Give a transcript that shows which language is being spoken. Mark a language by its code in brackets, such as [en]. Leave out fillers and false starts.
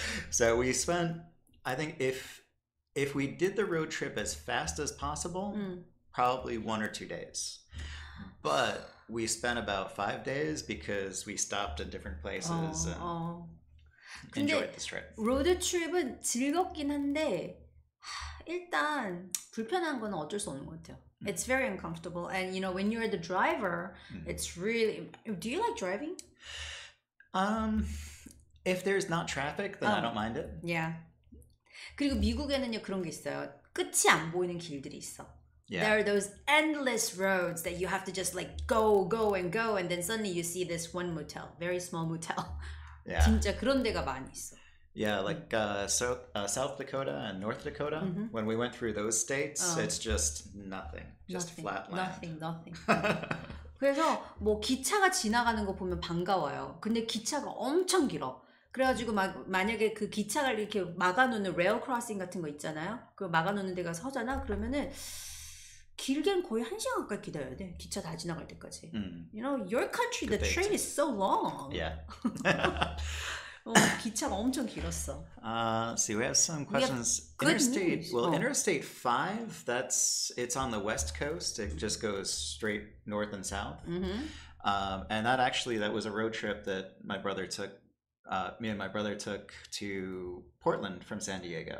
[en] So we spent, I think if we did the road trip as fast as possible, probably 1 or 2 days. But we spent about 5 days because we stopped in different places and enjoyed this trip. [ko] 로드 트립은 즐겁긴 한데 일단 불편한 건 어쩔 수 없는 것 같아요. [en] It's very uncomfortable, and you know, when you're the driver, it's really... Do you like driving? If there's not traffic, then I don't mind it. Yeah. [ko] 그리고 미국에는요, 그런 게 있어요. 끝이 안 보이는 길들이 있어. [en] Yeah. There are those endless roads that you have to just like go, and then suddenly you see this one motel, very small motel. Yeah. [ko] 진짜 그런 데가 많이 있어. [en] Yeah, like South Dakota and North Dakota, when we went through those states, it's just nothing. Just flat land. Nothing. [ko] 그래서 뭐 기차가 지나가는 거 보면 반가워요. 근데 기차가 엄청 길어. 그래가지고 만약에 그 기차가 이렇게 막아놓는 레일 크로싱 같은 거 있잖아요. 그 막아놓는 데가 서잖아. 그러면은 길게는 거의 한 시간 가까이 기다려야 돼. 기차 다 지나갈 때까지. [en] You know, your country, the train is so long. Yeah. [ko] 기차가 엄청 길었어. [en] See, we have some questions. Interstate, well, Interstate 5, it's on the west coast. It just goes straight north and south. And that actually, that was a road trip that my brother took, me and my brother took to Portland from San Diego.